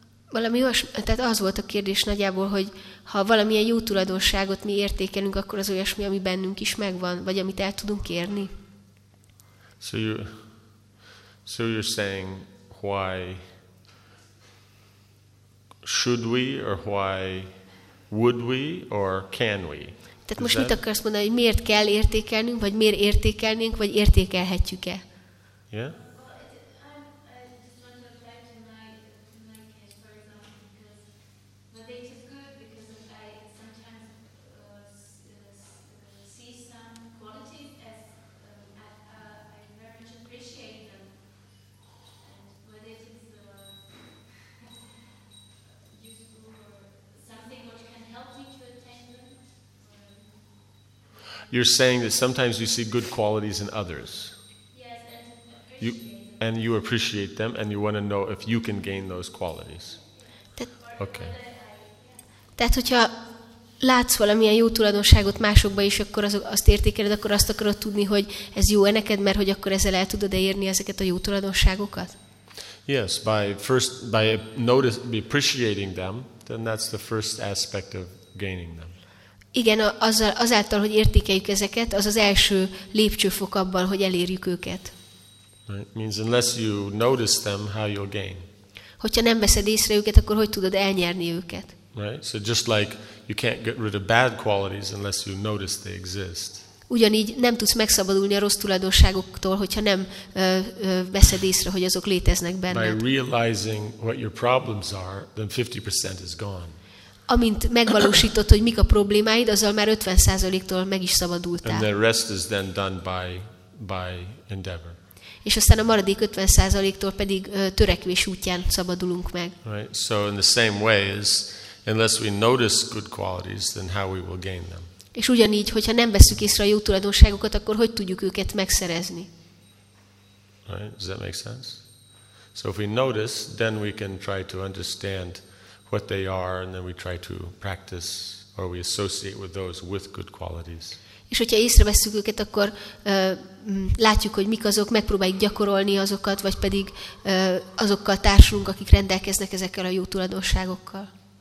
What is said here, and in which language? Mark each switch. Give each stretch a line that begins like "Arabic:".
Hungarian: Valami olyasmi, tehát az volt a kérdés nagyjából, hogy ha valamilyen jó tulajdonságot mi értékelünk, akkor az olyasmi, ami bennünk is megvan, vagy amit el tudunk érni.
English: So you're saying why should we, or why would we, or can we?
Hungarian: Tehát most mit akarsz mondani, hogy miért kell értékelnünk, vagy miért értékelnénk, vagy értékelhetjük-e?
English: Yeah. You're saying that sometimes you see good qualities in others. Yes, and you appreciate them, and you want to know if you can gain those qualities. Okay.
Hungarian: Tehát, hogyha látsz valamilyen jó tulajdonságot másokban is, akkor azt értékeled, akkor azt akarod tudni, hogy ez jó-e neked, mert hogy akkor ezzel el tudod érni ezeket a jó tulajdonságokat?
English: Yes, by appreciating them, then that's the first aspect of gaining them.
Hungarian: Igen, azáltal, hogy értékeljük ezeket, az az első lépcsőfok abban, hogy elérjük őket.
English: Right. Means unless you notice them, how you'll gain.
Hungarian: Hogyha nem veszed észre őket, akkor hogy tudod elnyerni őket?
English: Right. So just like you can't get rid of bad qualities unless you notice they exist.
Hungarian: Ugyanígy nem tudsz megszabadulni a rossz tulajdonságoktól, hogyha nem veszed észre, hogy azok léteznek benned.
English: By realizing what your problems are, then 50% is gone.
Hungarian: Amint megvalósítod, hogy mik a problémáid, azzal már 50%-tól meg is szabadultál.
English: And the rest is then done by endeavor.
Hungarian: És aztán a maradék 50%-tól pedig törekvés útján szabadulunk meg.
English: Right. So in the same way, unless we notice good qualities, then how we will gain them.
Hungarian: És ugyanígy, hogyha nem veszük észre a jó tulajdonságokat, akkor hogy tudjuk őket megszerezni?
English: Right. Does that make sense? So if we notice, then we can try to understand what they are, and then we try to practice, or we associate with those with good qualities.
Hungarian: És hogyha észreveszünk őket, akkor látjuk, hogy mik azok, megpróbáljuk gyakorolni azokat, vagy pedig azokkal társulunk, akik rendelkeznek ezekkel a jó tulajdonságokkal.